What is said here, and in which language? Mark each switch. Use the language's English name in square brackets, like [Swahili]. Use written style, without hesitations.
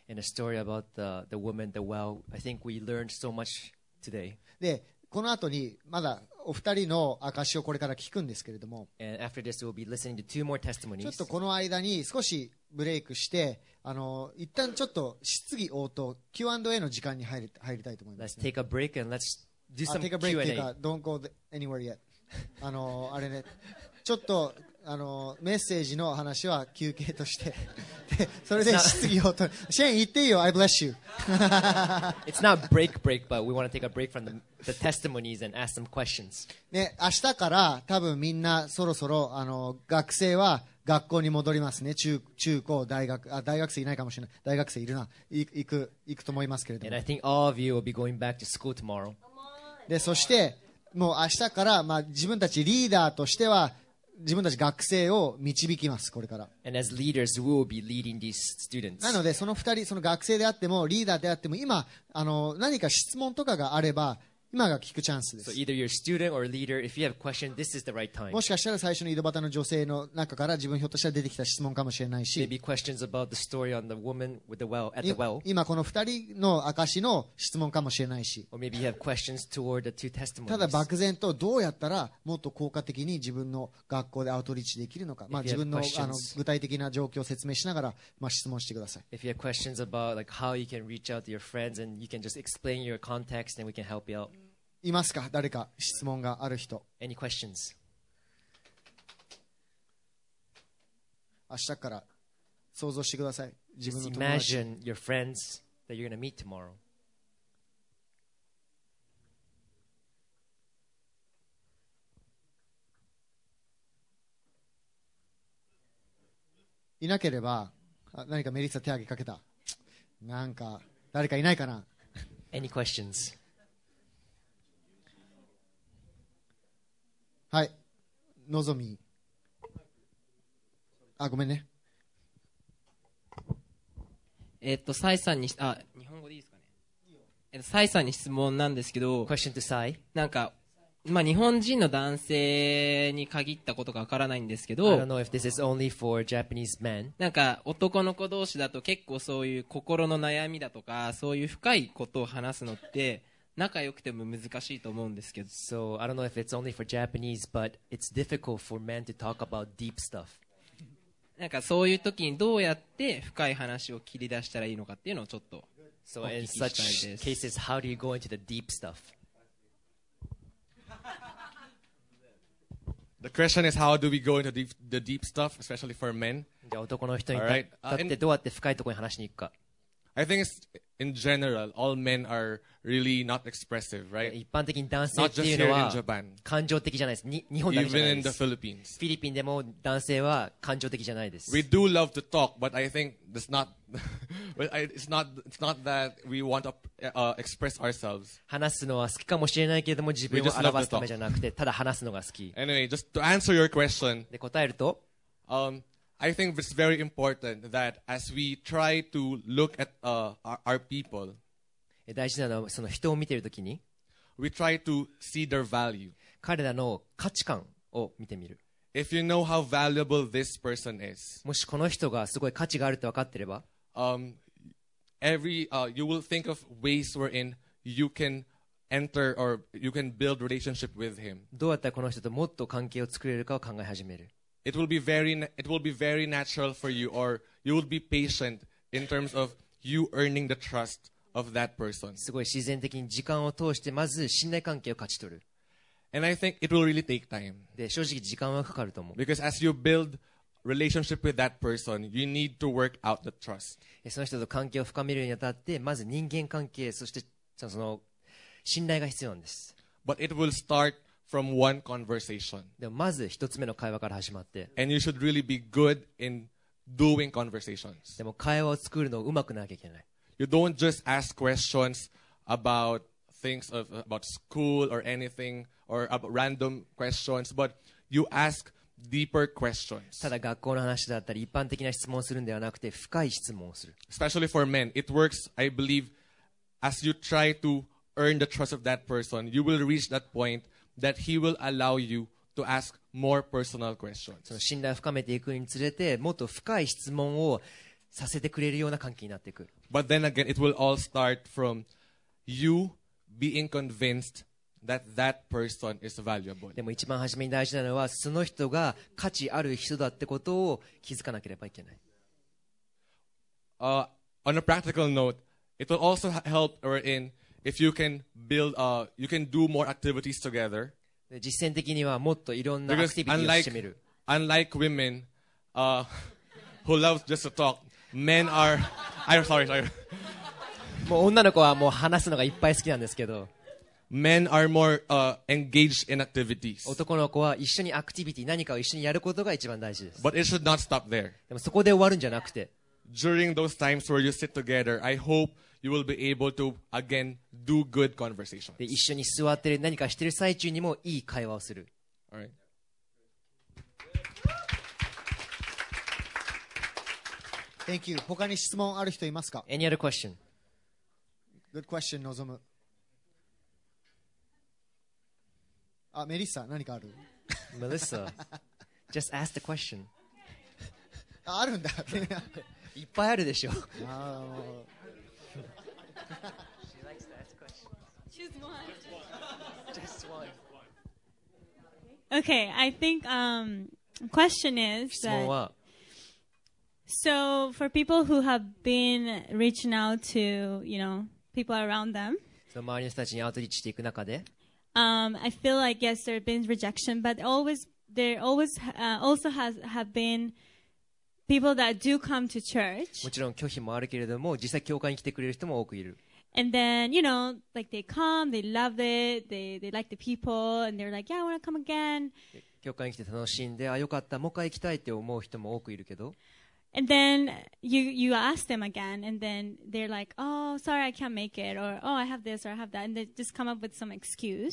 [English] And a story about the woman, the well. I think we learned so much today. [Japanese] で、この後にまだお二人の証をこれから聞くんですけれども。 [English] And after this, we'll be listening to two more testimonies. [Japanese] ちょっとこの間に少しブレイクして。一旦ちょっと質疑応答 Q&A の時間に入りたいと思います、 [English] ね、Let's take a break and let's do some Q&A. Take a break, don't go anywhere yet. [Japanese] あれね、ちょっとメッセージの話は休憩としてそれで質疑応答シェーン言っていいよ [English] I bless you. It's not break but we want to take a break from the testimonies and ask some questions. [Japanese] ね、明日から多分みんなそろそろ学生は学校に戻りますね。中高大学あ大学生いないかもしれない。大学生いるな。行くと思いますけれども。 [English] And I think all of you will be going back to school tomorrow. [Japanese] でそしてもう明日からまあ自分たちリーダーとしては自分たち学生を導きますこれから。 [English] And as leaders, we will be leading these students. [Japanese] なのでその二人その学生であってもリーダーであっても今何か質問とかがあれば。今が聞くチャンスです。 [English] So either you're a student or a leader, if you have a question, this is the right time. [Japanese] もしかしたら最初の井戸端の女性の中から自分ひょっとしたら出てきた質問かもしれないし。 [English] Maybe questions about the story on the woman with the well at the well. [Japanese] 今この二人の証の質問かもしれないし。 [English] Or maybe you have questions toward the two testimonies. [Japanese] ただ漠然とどうやったらもっと効果的に自分の学校でアウトリーチできるのか。まあ自分の具体的な状況を説明しながらまあ質問してください。 [English] If you have questions about like how you can reach out to your friends and you can just explain your context, then we can help you out. [Japanese] いますか誰か質問がある人 [English] Any questions? [Japanese] 明日から想像してください自分の友達 [English] Just imagine your friends that you're going to meet tomorrow. [Japanese] いなければ何かメリッサ手挙げかけたなんか誰かいないかな [English] Any questions? [Japanese] はい、のぞみ。あ、ごめんね。サイさんに、あ、日本語でいいですかね。サイさんに質問なんですけど、 [English] Question to Sai. [Japanese] なんか、まあ、日本人の男性に限ったことがわからないんですけど、 [English] I don't know if this is only for Japanese men. [Japanese] なんか、男の子同士だと結構そういう心の悩みだとか、そういう深いことを話すのって、仲良くても難しいと思うんですけど。 [English] So, I don't know if it's only for Japanese, but it's difficult for men to talk about deep stuff. [Japanese] なんかそういう時にどうやって深い話を切り出したらいいのかっていうのをちょっとお聞きしたいです。 [English] So, in such cases, how do you go into the deep stuff? The question is, how do we go into the deep stuff, especially for men? [Japanese] じゃあ男の人に立ってどうやって深いところに話しに行くか。 [English] I think it's in general, all men are really not expressive, right? [Japanese] 一般的に男性っていうのは感情的じゃないです。日本だけじゃないです。 [English] Even in the Philippines. [Japanese] フィリピンでも男性は感情的じゃないです。 [English] We do love to talk, but I think it's not, it's not that we want to express ourselves. [Japanese] 話すのは好きかもしれないけれども、自分を表すためじゃなくて、ただ話すのが好き。 [English] Anyway, just to answer your question. [Japanese] で、答えると、 [English] I think it's very important that as we try to look at our people, [Japanese] 大事なのはその人を見ているときに [English] we try to see their value. [Japanese] 彼らの価値観を見てみる。 [English] If you know how valuable this person is, [Japanese] もしこの人がすごい価値があるって分かっていれば、 [English] you will think of ways wherein you can enter or you can build relationship with him. [Japanese] どうやったらこの人ともっと関係を作れるかを考え始める。 [English] It will be very natural for you, or you will be patient in terms of you earning the trust of that person. [Japanese] すごい自然的に時間を通してまず信頼関係を勝ち取る。 [English] And I think it will really take time. [Japanese] で、正直時間はかかると思う。 [English] Because as you build relationship with that person, you need to work out the trust. [Japanese] その人と関係を深めるにあたって、まず人間関係、そしてその信頼が必要なんです。 [English] But it will start. From one conversation. [Japanese] でもまず一つ目の会話から始まって。 [English] And you should really be good in doing conversations. [Japanese] でも会話を作るのをうまくなきゃいけない。 [English] You don't just ask questions about things of, about school or anything or about random questions, but you ask deeper questions. [Japanese] ただ学校の話だったり一般的な質問をするんではなくて深い質問をする。 [English] Especially for men, it works, I believe, as you try to earn the trust of that person, you will reach that point. That he will allow you to ask more personal questions. [Japanese] その信頼を深めていくにつれて、もっと深い質問をさせてくれるような関係になっていく。 [English] But then again, it will all start from you being convinced that that person is valuable. [Japanese] でも一番初めに大事なのは、その人が価値ある人だってことを気づかなければいけない。 [English] On a practical note, it will also help wherein. If you can build, you can do more activities together. [Japanese] 実践的にはもっといろんなアクティビティをしてみる。 [English] Unlike women, who love just to talk, men are. I'm sorry. [Japanese] もう女の子はもう話すのがいっぱい好きなんですけど。 [English] Men are more engaged in activities. [Japanese] 男の子は一緒にアクティビティ何かを一緒にやることが一番大事です。 [English] But it should not stop there. [Japanese] でもそこで終わるんじゃなくて。 [English] During those times where you sit together, I hope. You will be able to again do good conversations. [Japanese] で、一緒に座ってる、何かしてる最中にもいい会話をする。 [English] All right. Thank you. [Japanese] 他に質問ある人いますか? [English] Any other question? Good question, Nozomu. [Japanese] あ、メリッサ、何かある? [English] Melissa, just ask the question. [Japanese] あるんだ。いっぱいあるでしょ。あー。 [English] She likes to ask questions. Choose one. Just one. Okay, I think the question is that, so for people who have been reaching out to, you know, people around them, I feel like, yes, there have been rejection, but always, there always, also has, have been. People that do come to church. [Japanese] もちろん拒否もあるけれども、実際教会に来てくれる人も多くいる。 [English] And then, you know, like they come, they love it, they like the people, and they're like, yeah, I want to come again. [Japanese] 教会に来て楽しんで、あ、よかった、もう一回来たいって思う人も多くいるけど。 [English] And then you ask them again, and then they're like, oh, sorry, I can't make it, or oh, I have this, or I have that, and they just come up with some excuse.